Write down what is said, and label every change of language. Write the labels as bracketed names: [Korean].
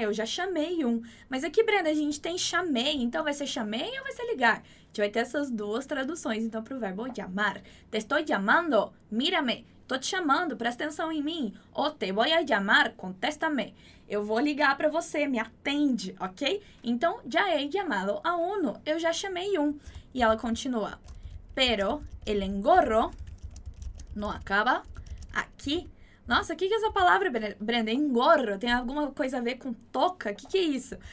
[Portuguese] Eu já chamei um. Mas aqui, Brenda, a gente tem chamei, então vai ser chamei ou vai ser ligar? A gente vai ter essas duas traduções, então, para o verbo llamar. [Spanish] Te estoy llamando, mírame, [Portuguese] tô te chamando, presta atenção em mim. [Spanish] O te voy a llamar, contéstame. [Portuguese] Eu vou ligar para você, me atende, ok? Então, [Spanish] já he llamado a uno, [Portuguese] eu já chamei um. E ela continua. [Spanish] Pero el engorro no acaba aqui. [Portuguese] Nossa, o que é essa palavra, Brenda? Engorro? Tem alguma coisa a ver com toca? O que é isso?